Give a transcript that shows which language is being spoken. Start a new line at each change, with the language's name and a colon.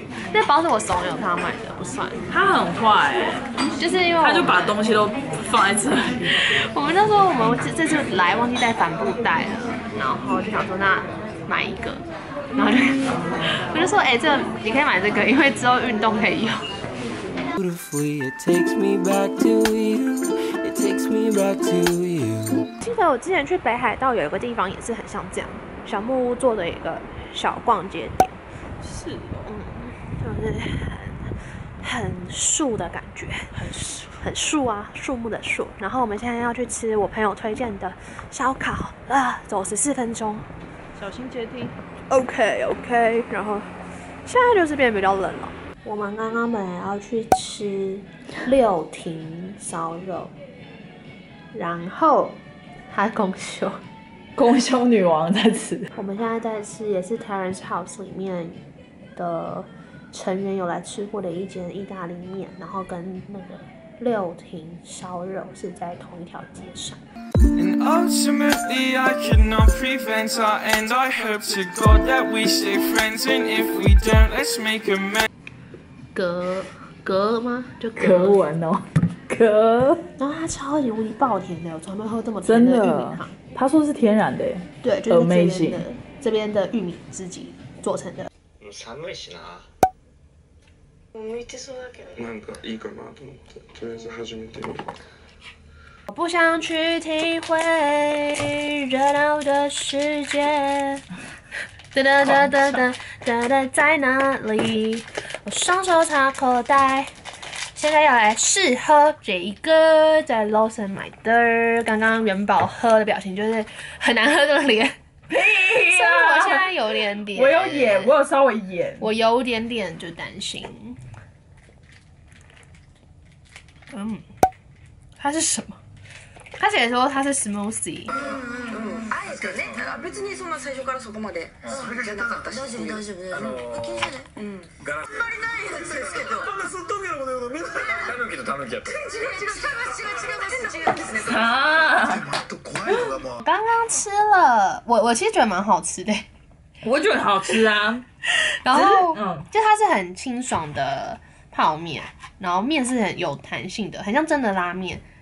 Chinese: 那包是我怂恿他买的，不算。他很坏、欸，就是因为他就把东西都放在这里。我们那时候我们这次来忘记带帆布袋了，然后就想说那买一个。然后就我就说，哎、欸，这个、你可以买这个，因为之后运动可以用。
English: Beautifully, it takes me back to you. It takes me back to you.
Chinese: 记得我之前去北海道有一个地方也是很像这样，小木屋做的一个小逛街点。是哦，就是很树的感觉，很树，很树啊，树木的树。然后我们现在要去吃我朋友推荐的烧烤啊，走14分钟，小心阶梯。 OK， 然后现在就是变得比较冷了。我们刚刚本来要去吃六亭烧肉，然后他公休女王在吃。我们现在在吃也是 Terrace House 里面的成员有来吃过的一间意大利面，然后跟那个六亭烧肉是在同一条街上。 And ultimately I could not prevent our end. I hope to God that we stay friends. And if we don't, let's make amends. 格吗？就格文哦，格。然后它超级无敌爆甜的，我从来没喝这么甜的玉米糖。他说是天然的耶，对，就是这边的玉米自己做成的。
Japanese: 寒いしな。向いてそうだけど。なんかいいかなと思って、とりあえず始めてみる。
Chinese: 我不想去体会热闹的世界，哒哒哒哒哒哒哒，在哪里？我双手插口袋，现在要来试喝这一个，在 Lawson 买的。刚刚元宝喝的表情就是很难喝的脸，所以我现在有点点，我有演，我有稍微演，我有点点就担心。嗯，它是什么？他写说他是 smoothie。嗯嗯
Japanese: 嗯。あれですかね。別にそんな最初からそこまで。それが痛かったし。大丈夫大丈夫。気にしない。うん。あんまりないやつですけど。そんなすっとんげなこと言うの、皆
Chinese: 刚刚吃了，我其实觉得蛮好吃的。我觉得好吃啊。然后，就它是很清爽的泡面，然后面是很有弹性的，很像真的拉面。